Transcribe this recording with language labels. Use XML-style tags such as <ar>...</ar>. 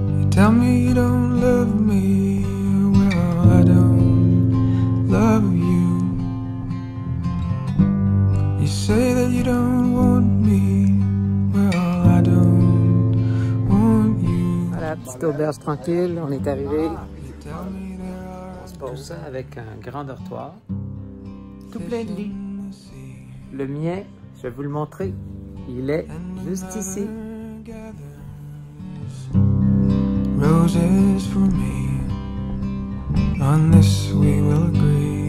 <en>Tell me you don't love me, well, I don't love you. You say that you don't want me, well, I don't want you.</en> <fr>Voilà, petite auberge tranquille, on est arrivé. Tout ça avec un grand dortoir. Tout plein de lits. Le mien, je vais vous le montrer, il est juste ici.</fr> <en>Roses for me, on this we will agree.</en>